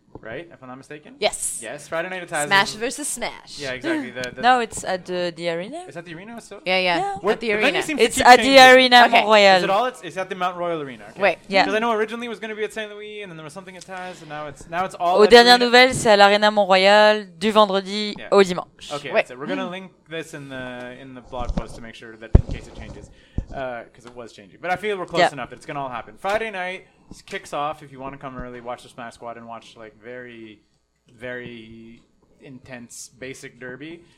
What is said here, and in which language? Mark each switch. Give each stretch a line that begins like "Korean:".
English: Right? If I'm not mistaken? Yes. Yes, Friday night at Taz. Smash versus Smash. Yeah, exactly. The no, it's at the arena. Is that the arena still? Yeah. At the arena. It's at the arena, okay. Mont Royal. It's at the Mount Royal Arena. Okay. Wait, yeah. Because I know originally it was going to be at St. Louis, and then there was something at Taz, and now it's all
French: aux dernières nouvelles, c'est à l'Arena Mont Royal du vendredi au dimanche.
English: Okay, that's it. We're going to link this in the blog post to make sure that in case it changes, because it was changing. But I feel we're close enough that it's going to all happen. Friday night. This kicks off. If you want to come early, watch the Smash Squad and watch like very, very intense basic derby.